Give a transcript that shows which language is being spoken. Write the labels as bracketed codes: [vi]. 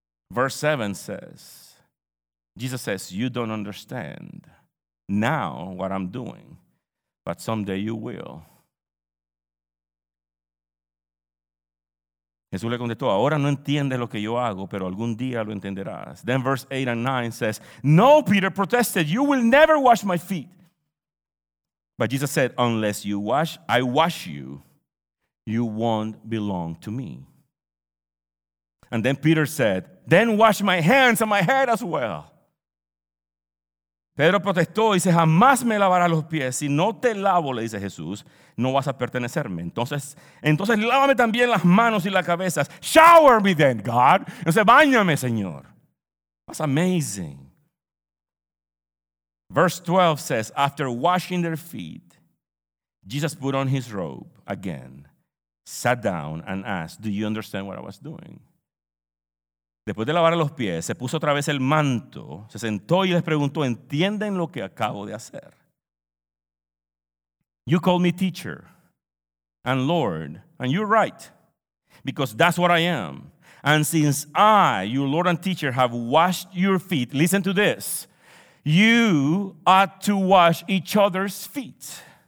[en] Verse 7 says, Jesus says, you don't understand now what I'm doing, but someday you will. [es] Jesús le contestó, ahora no entiendes lo que yo hago, pero algún día lo entenderás. [en] Then verse 8 and 9 says, no, Peter protested, you will never wash my feet. But Jesus said, unless you wash, I wash you, you won't belong to me. And then Peter said, then wash my hands and my head as well. [es] Pedro protestó y dice, jamás me lavará los pies. Si no te lavo, le dice Jesús, no vas a pertenecerme. Entonces lávame también las manos y las cabezas. [en] Shower me then, God. [es] Y dice, báñame, Señor. [en] That's amazing. Verse 12 says, after washing their feet, Jesus put on his robe again, sat down and asked, do you understand what I was doing? [es] Después de lavar los pies, se puso otra vez el manto, se sentó y les preguntó, ¿entienden lo que acabo de hacer? [en] You call me teacher and Lord, and you're right, because that's what I am. And since I, your Lord and teacher, have washed your feet, listen to this, you ought to wash each other's feet.